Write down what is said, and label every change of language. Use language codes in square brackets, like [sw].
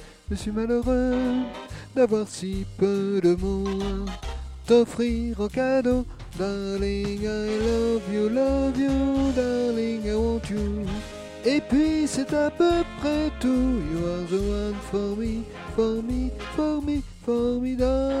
[fr] Je suis malheureux d'avoir si peu de mots t'offrir en cadeau. [en] Darling, I love you, darling, I want you. [fr] Et puis c'est à peu près tout. [en] You are the one for me, for me, for me, formidable.